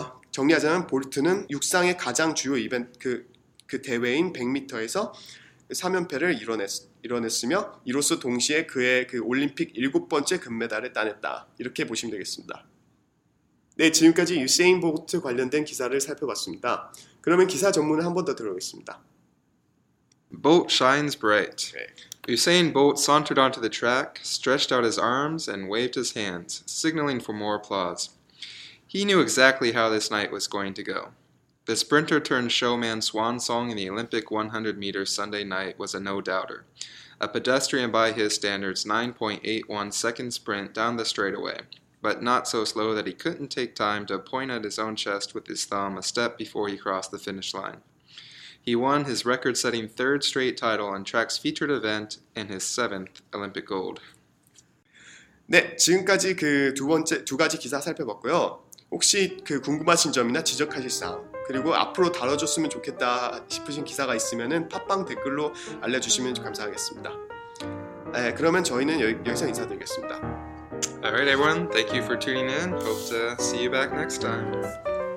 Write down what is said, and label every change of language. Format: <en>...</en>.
<ko>정리하자면 볼트는 육상의 가장 주요 이벤트 그 대회인 100m에서 3연패를 이뤄냈으며 이로써 동시에 그의 그 올림픽 7번째 금메달을 따냈다. 이렇게 보시면 되겠습니다. 네, 지금까지 유세인 보트 관련된 기사를 살펴봤습니다. 그러면 기사 전문을 한 번 더 들어보겠습니다.</ko> <en>Bolt shines bright. Usain Bolt sauntered onto the track, stretched out his arms, and waved his hands, signaling for more applause. He knew exactly how this night was going to go. The sprinter turned showman swan song in the Olympic 100-meter Sunday night was a no-doubter. A pedestrian by his standards 9.81 second sprint down the straightaway, but not so slow that he couldn't take time to point at his own chest with his thumb a step before he crossed the finish line. He won his record-setting third straight title on track's featured event and his seventh Olympic gold.</en> <ko>네, 지금까지 그 두 가지 기사 살펴봤고요. 혹시 그 궁금하신 점이나 지적하실 사항, 그리고 앞으로 다뤄줬으면 좋겠다 싶으신 기사가 있으면은 팟빵 댓글로 알려주시면 감사하겠습니다. 네, 그러면 저희는 여기서 인사드리겠습니다.</ko> <en>All right, everyone. Thank you for tuning in. Hope to see you back next time.</en>